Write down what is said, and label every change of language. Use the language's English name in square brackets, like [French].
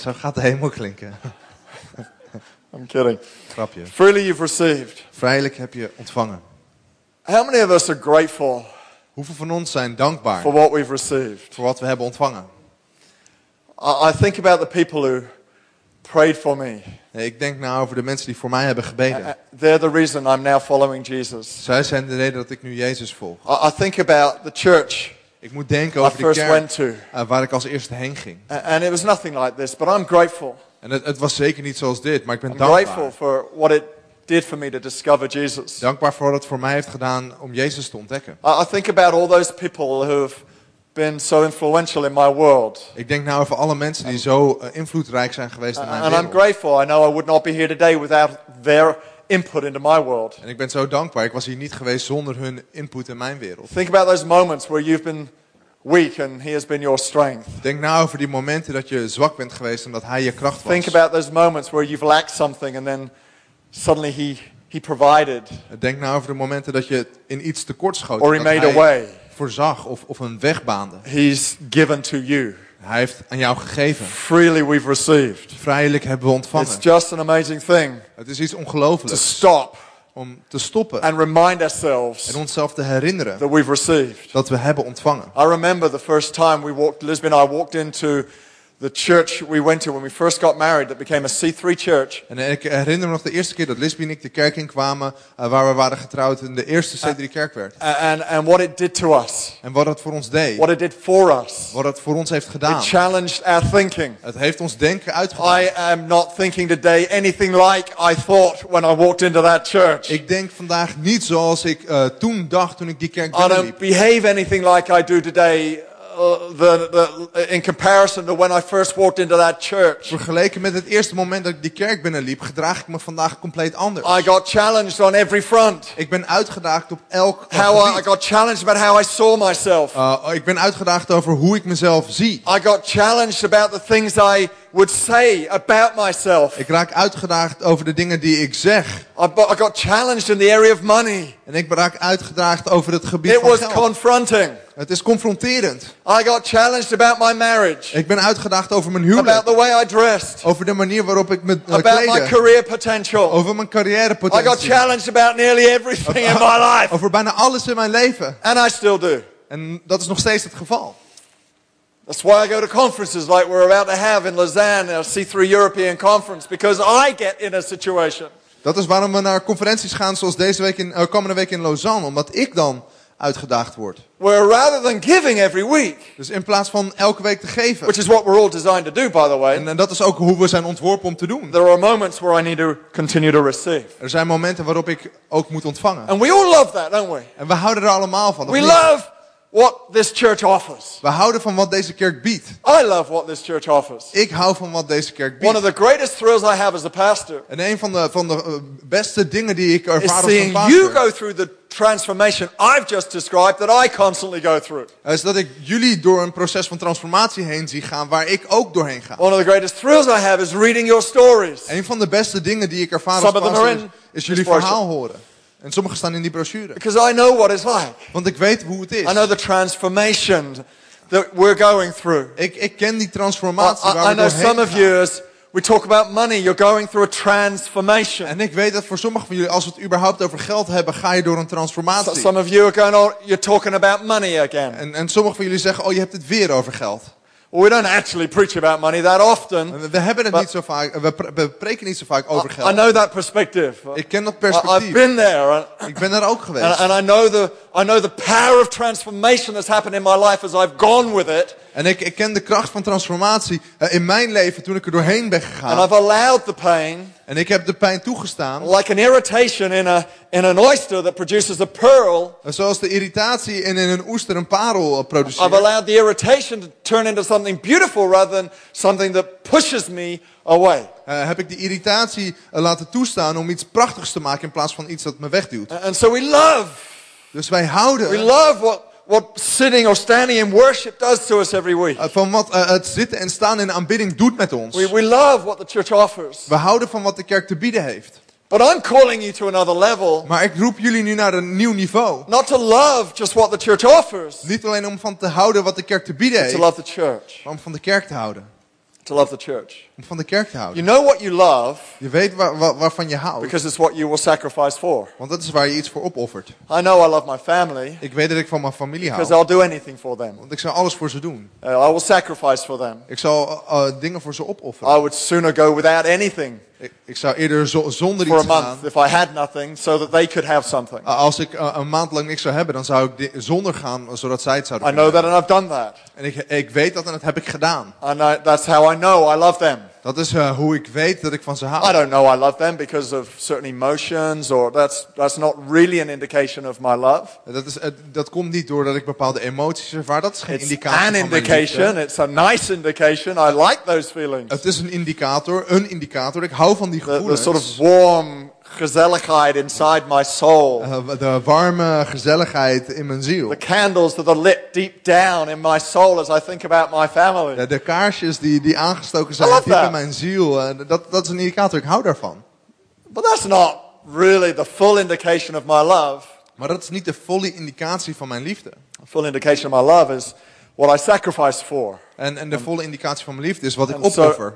[Dutch] Zo gaat de hemel klinken. [English] I'm kidding. [Dutch] Grapje. [English] Freely you've received. [Dutch] Vrijelijk heb je ontvangen. [English] How many of us are grateful? [Dutch] Hoeveel van ons zijn dankbaar? [English] For what we've received. [Dutch] Voor wat we hebben ontvangen. [English] I think about the people who prayed for me. [Dutch] Ik denk nou over de mensen die voor mij hebben gebeden. [English] They're the reason I'm now following Jesus. [Dutch] Zij zijn de reden dat ik nu Jezus volg. [English] I think about the church. [Dutch] Ik moet denken over [English] I first [Dutch] de kerk [English] went to. [Dutch] Waar ik als eerste heen ging. [English] And it was nothing like this, but I'm grateful. [Dutch] En het was zeker niet zoals dit, maar ik ben [English] I'm [Dutch] dankbaar. [English] Grateful for what it did for me to discover Jesus. [Dutch] Dankbaar voor wat het voor mij heeft gedaan om Jezus te ontdekken. [English] I think about all those people who have been so influential in my world. [Dutch] Ik denk nou over alle mensen die zo invloedrijk zijn geweest in mijn [English] and [Dutch] wereld. [English] And I'm grateful. I know I would not be here today without their input into my world. [Dutch] En ik ben zo dankbaar. Ik was hier niet geweest zonder hun input in mijn wereld. [English] Think about those moments where you've been weak and he has been your strength. [Dutch] Denk nou over die momenten dat je zwak bent geweest omdat hij je kracht was. [English] Think about those moments where you've lacked something and then suddenly he provided. [Dutch] Denk nou over de momenten dat je in iets tekort schoot. [English] Or he made a way. [Dutch] Voorzag of een weg baande. [English] He's given to you. [Dutch] Hij heeft aan jou gegeven. [English] Freely we've received. [Dutch] Vrijelijk hebben we ontvangen. [English] It's just an amazing thing. [Dutch] Het is iets ongelooflijks. [English] To stop. [Dutch] Om te stoppen. [English] And remind ourselves. [Dutch] En onszelf te herinneren. [English] That we've received. [Dutch] Dat we hebben ontvangen. [English] I remember the first time we walked, Lisbon and I walked into the church we went to when we first got married that became a C3 church. [Dutch] En ik herinner me nog de eerste keer dat Lisbon en ik de kerk in kwamen waar we waren getrouwd en de eerste C3 kerk werd. [English] And what it did to us. [Dutch] En wat het voor ons deed. [English] What it did for us. [Dutch] Wat het voor ons heeft gedaan. [English] It challenged our thinking. [Dutch] Het heeft ons denken uitgedaagd. [English] I am not thinking today anything like I thought when I walked into that church. [Dutch] Ik denk vandaag niet zoals ik toen dacht toen ik die kerk binnenliep. [English] I don't behave anything like I do today. The in comparison to when I first walked into that church. [Dutch] Vergeleken met het eerste moment dat ik die kerk binnenliep, gedraag ik me vandaag compleet anders. [English] I got challenged on every front. [Dutch] Ik ben uitgedaagd op elk [English] how [Dutch] gebied. [English] I got challenged about how I saw myself. [Dutch] Ik ben uitgedaagd over hoe ik mezelf zie. [English] I got challenged about the things I would say about myself. [Dutch] Ik raak uitgedaagd over de dingen die ik zeg. [English] I got challenged in the area of money. [Dutch] En ik raak uitgedaagd over het gebied [English] it [Dutch] van geld. [English] It was confronting. [Dutch] Het is confronterend. [English] I got challenged about my marriage. [Dutch] Ik ben uitgedaagd over mijn huwelijk. [English] About the way I dressed. [Dutch] Over de manier waarop ik me kleedde. [English] About my career potential. [Dutch] Over mijn carrièrepotentie. [English] I got challenged about nearly everything in my life. [Dutch] Over bijna alles in mijn leven. [English] And I still do. [Dutch] En dat is nog steeds het geval. [English] That's why I go to conferences like we're about to have in Lausanne, our C3 European conference, because I get in a situation. [Dutch] Dat is waarom we naar conferenties gaan zoals deze week komende week in Lausanne, omdat ik dan uitgedaagd wordt. [English] Where rather than giving every week, [Dutch] dus in plaats van elke week te geven. [English] Which is what we're all designed to do, by the way. [Dutch] En dat is ook hoe we zijn ontworpen om te doen. [English] There are moments where I need to continue to receive. [Dutch] Er zijn momenten waarop ik ook moet ontvangen. [English] And we all love that, don't we? [Dutch] En we houden er allemaal van. [English] We love what this church offers. [Dutch] We houden van wat deze kerk biedt. [English] I love what this church offers. [Dutch] Ik hou van wat deze kerk biedt. [English] One of the greatest thrills I have as a pastor. [Dutch] En een van de beste dingen die ik ervaar als pastor. [English] Is seeing you go through the transformation I've just described that I constantly go through. [Dutch] Is dat ik jullie door een proces van transformatie heen zie gaan waar ik ook doorheen ga. [English] One of the greatest thrills I have is reading your stories. [Dutch] Een van de beste dingen die ik ervaar als pastor is jullie verhaal horen. En sommige staan in die brochure. [English] Because I know what it's like. [Dutch] Want ik weet hoe het is. [English] I know the transformation that we're going through. [Dutch] Ik ken die transformatie waar we doorheen gaan. [English] I know some of you, as we talk about money, you're going through a transformation. [Dutch] En ik weet dat voor sommige van jullie, als we het überhaupt over geld hebben, ga je door een transformatie. [English] Some of you are going, oh, you're talking about money again. [Dutch] En sommige van jullie zeggen, oh, je hebt het weer over geld. [English] We don't actually preach about money that often. [Dutch] We hebben het niet zo vaak. We preken niet zo vaak over geld. [English] I know that perspective. [Dutch] Ik ken dat perspectief. [English] I've been there. [Dutch] Ik ben daar ook geweest. [English] And I know the I know the power of transformation that's happened in my life as I've gone with it. [Dutch] En ik ken de kracht van transformatie in mijn leven toen ik er doorheen ben gegaan. [English] And I've allowed the pain. [Dutch] En ik heb de pijn toegestaan. [English] Like an irritation in an oyster that produces a pearl. [Dutch] En zoals de irritatie in een oester een parel produceert. [English] I've allowed the irritation to turn into something beautiful rather than something that pushes me away. [Dutch] Heb ik de irritatie laten toestaan om iets prachtigs te maken in plaats van iets dat me wegduwt. [English] And so we love. [Dutch] Dus wij houden. [English] We love what sitting or standing in worship does to us every week. [Dutch] Van wat het zitten en staan in aanbidding doet met ons. [English] We love what the church offers. [Dutch] We houden van wat de kerk te bieden heeft. [English] But I'm calling you to another level. [Dutch] Maar ik roep jullie nu naar een nieuw niveau. [English] Not to love just what the church offers. [Dutch] Niet alleen om van te houden wat de kerk te bieden heeft. [English] To love the church. [Dutch] Maar om van de kerk te houden. [English] To love the church. [Dutch] Om van de kerk te houden. [English] You know what you love. [Dutch] Je weet waarvan je houdt. [English] Because it's what you will sacrifice for. [Dutch] Want dat is waar je iets voor opoffert. [English] I know I love my family. [Dutch] Ik weet dat ik van mijn familie hou. [English] Because I'll do anything for them. [Dutch] Want ik zou alles voor ze doen. [English] I will sacrifice for them. [Dutch] Ik zou dingen voor ze opofferen. [English] I would sooner go without anything. [Dutch] Ik zou eerder zonder [English] for [Dutch] iets gaan. [English] For a month, if I had nothing, so that they could have something. [Dutch] Als ik een maand lang niks zou hebben, dan zou ik zonder gaan, zodat zij het zouden. [English] I know that, and I've done that. [Dutch] En ik weet dat, en dat heb ik gedaan. [English] And that's how I know I love them. [Dutch] Dat is hoe ik weet dat ik van ze hou. [English] I don't know I love them because of certain emotions or that's not really an indication of my love. [Dutch] Dat komt niet doordat ik bepaalde emoties ervaar. Dat is geen indicatie van mijn liefde. [English] It's an indication. It's a nice indication. I like those feelings. [Dutch] Het is een indicator. Ik hou van die gevoelens. [English] The sort of warm gezelligheid inside my soul. [Dutch] De warme gezelligheid in mijn ziel. [English] The candles that are lit deep down in my soul as I think about my family. [Dutch] De kaarsjes die aangestoken zijn diep in mijn ziel. Dat is een indicator. Ik hou daarvan. [English] But that's not really the full indication of my love. [Dutch] Maar dat is niet de volle indicatie van mijn liefde. [English] A full indication of my love is what I sacrifice for. [Dutch] En de volle indicatie van mijn liefde is wat ik opoffer.